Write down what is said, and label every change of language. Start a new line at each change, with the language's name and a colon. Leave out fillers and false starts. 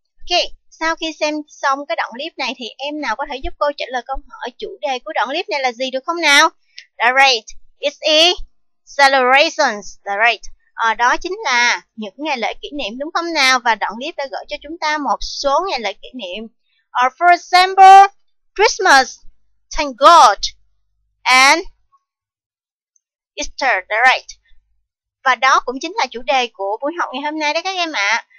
Vietnamese: Okay, sau khi xem xong cái đoạn clip này thì em nào có thể giúp cô trả lời câu hỏi chủ đề của đoạn clip này là gì được không nào?
English: Alright, it's a celebrations.
Vietnamese: Alright, đó chính là những ngày lễ kỷ niệm đúng không nào? Và đoạn clip đã gửi cho chúng ta một số ngày lễ kỷ niệm.
English: For example, Christmas, thank God, and Easter, alright.
Vietnamese: Và đó cũng chính là chủ đề của buổi học ngày hôm nay đấy các em ạ.